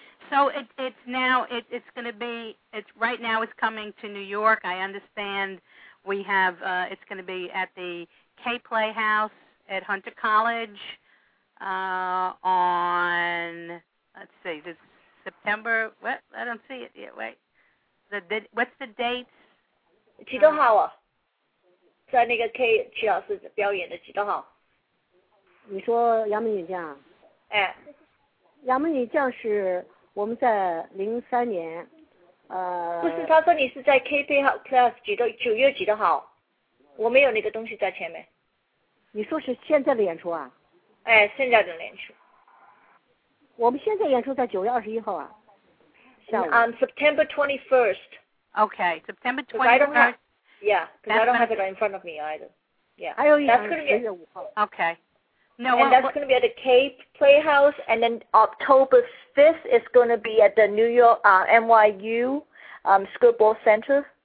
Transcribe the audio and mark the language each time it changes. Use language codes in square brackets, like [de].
[en] So it's coming to New York. I understand we have it's going to be at the K Playhouse at Hunter College on September. What? I don't see it yet. Wait. What's the date? [zh] 几多号啊？在那个 K 齐老师表演的几多号？你说杨门女将？哎，杨门女将是。我们在03年，不是，他说你是在 K Playhouse 9月几号？我没有那个东西在前面。你说是现在的演出啊？哎，现在的演出。我们现在演出在9月21号啊，下午。 [en] September 21st. Okay, September 21st. Because I don't have it in front of me either. Yeah. [zh] 还有一场10月5号。 [en] Okay. No, and that's going to be at the Cape Playhouse, and then October 5th is going to be at the New York NYU School Board Center.